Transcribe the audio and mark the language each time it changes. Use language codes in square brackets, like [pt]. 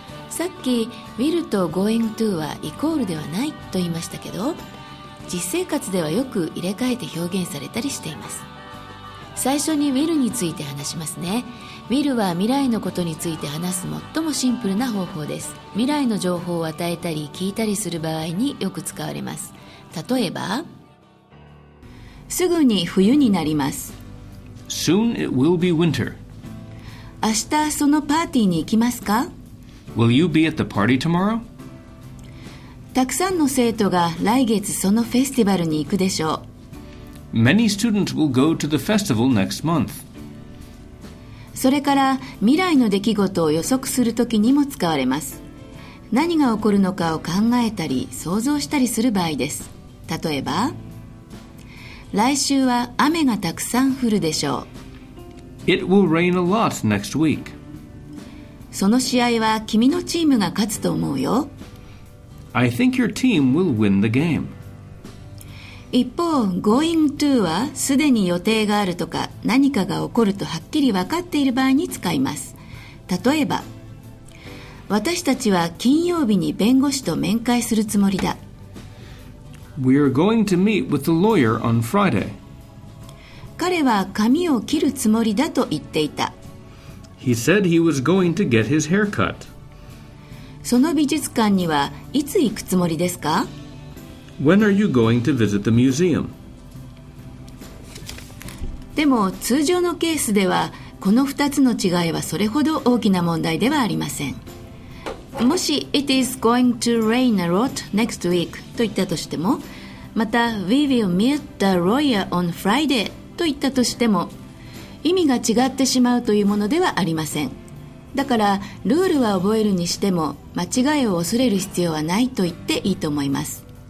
[ja] さっき Will と Going to はイコールではないと言いましたけど実生活ではよく入れ替えて表現されたりしています最初に Will について話しますね Will は未来のことについて話す最もシンプルな方法です未来の情報を与えたり聞いたりする場合によく使われます例えば、すぐに冬になります。 [en] Soon it will be winter. [ja] 明日そのパーティーに行きますか? [en] Will you be at the party tomorrow? [ja] たくさんの生徒が来月そのフェスティバルに行くでしょう。 [en] Many students will go to the festival next month. [ja] それから未来の出来事を予測するときにも使われます。何が起こるのかを考えたり想像したりする場合です。例えば、来週は雨がたくさん降るでしょう。 [en] It will rain a lot next week. [ja] その試合は君のチームが勝つと思うよ。 [en] I think your team will win the game. [ja] 一方、going to はすでに予定があるとか何かが起こるとはっきり分かっている場合に使います。例えば、私たちは金曜日に弁護士と面会するつもりだ。 [en] We are going to meet with the lawyer on Friday. [ja] 彼は髪を切るつもりだと言っていた。 [en] He said he was going to get his hair cut. [ja] その美術館にはいつ行くつもりですか? [en] When are you going to visit the museum? [ja] でも通常のケースではこの2つの違いはそれほど大きな問題ではありません。もし [en] It is going to rain a lot next week [ja] と言ったとしてもまた [en] We will meet the lawyer on Friday [ja] と言ったとしても意味が違ってしまうというものではありませんだからルールは覚えるにしても間違いを恐れる必要はないと言っていいと思います